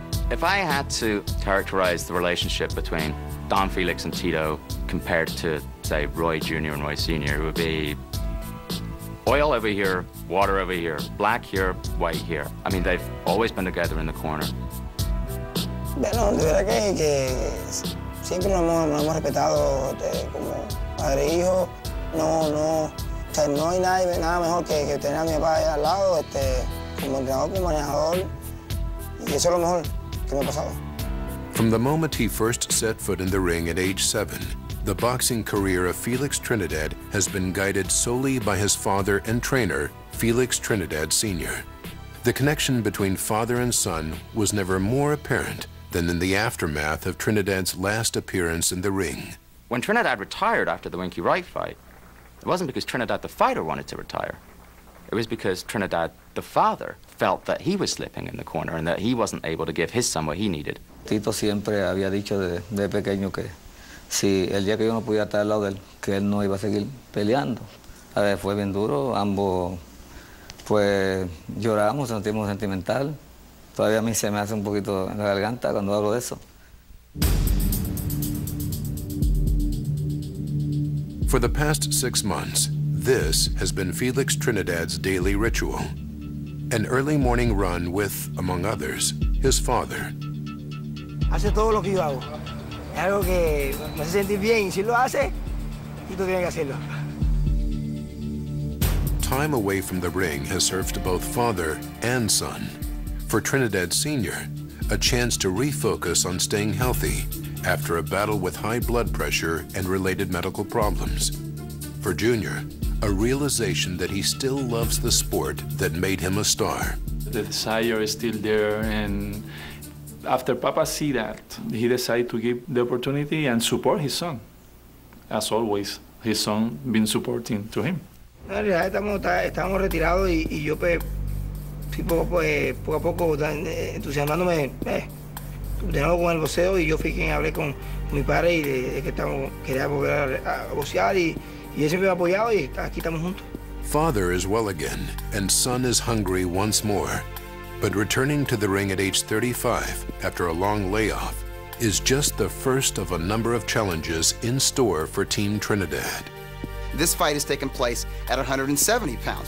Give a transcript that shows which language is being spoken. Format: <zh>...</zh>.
<en>If I had to characterize the relationship between Don Felix and Tito compared to, say, Roy Jr. and Roy Sr., it would be oil over here, water over here, black here, white here. I mean, they've always been together in the corner.</en> <es>Bueno, de verdad que siempre nos hemos respetado como padre e hijo. No, o sea, no hay nada mejor que tener a mi papá al lado, como entrenador. Y eso es lo mejor que me ha pasado.</es> <en>From the moment he first set foot in the ring at age 7, the boxing career of Felix Trinidad has been guided solely by his father and trainer, Felix Trinidad Sr. The connection between father and son was never more apparent than in the aftermath of Trinidad's last appearance in the ring. When Trinidad retired after the Winky Wright fight, it wasn't because Trinidad the fighter wanted to retire. It was because Trinidad the father felt that he was slipping in the corner and that he wasn't able to give his son what he needed.</en> <es>Tito siempre había dicho de pequeño que si el día que yo no pudiera estar al lado de él, que él no iba a seguir peleando. A ver, fue bien duro, ambos pues lloramos, nos sentimos sentimental. Todavía a mí se me hace un poquito en la garganta cuando hablo de eso.</es> <en>For the past 6 months, this has been Felix Trinidad's daily ritual. An early morning run with, among others, his father.</en> <es>Hace todo lo que yo hago. Es algo que me hace sentir bien. Si lo hace, tú tienes que hacerlo.</es> <en>Time away from the ring has served both father and son. For Trinidad Sr., a chance to refocus on staying healthy after a battle with high blood pressure and related medical problems. For Junior, a realization that he still loves the sport that made him a star. The desire is still there, and after Papa see that, he decided to give the opportunity and support his son. As always, his son been supporting to him.</en> <es>Estamos retirados y yo pues poco a poco entusiasmándome de nuevo con el boxeo, y yo fui quien hablé con mi padre y de que quería volver a boxear. Y él siempre me ha apoyado y aquí estamos juntos.</es> <en>Father is well again, and son is hungry once more. But returning to the ring at age 35, after a long layoff, is just the first of a number of challenges in store for Team Trinidad. This fight has taken place at 170 pounds.</en>